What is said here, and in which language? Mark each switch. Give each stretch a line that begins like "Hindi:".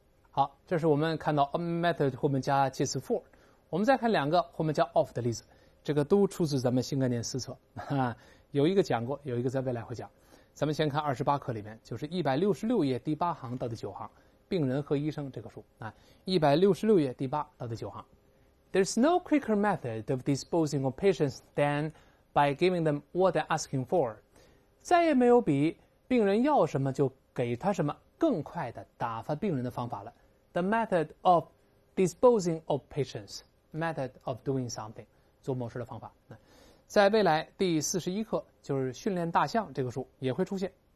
Chinese: 好，这是我们看到 a method 后面加介词 for。我们再看两个后面加 of 的例子，这个都出自咱们新概念四册，有一个讲过，有一个在未来会讲。咱们先看28课里面，就是166页第8行到第9行，病人和医生这个书啊，166页第8到第9行。
English: There's no quicker method of disposing of patients than by giving them what they're asking for.
Chinese: 再也没有比病人要什么就给他什么更快的打发病人的方法了。
English: The method of disposing of patients. Method of doing something.
Chinese: 做某事的方法。在未来第41课就是训练大象这个书也会出现。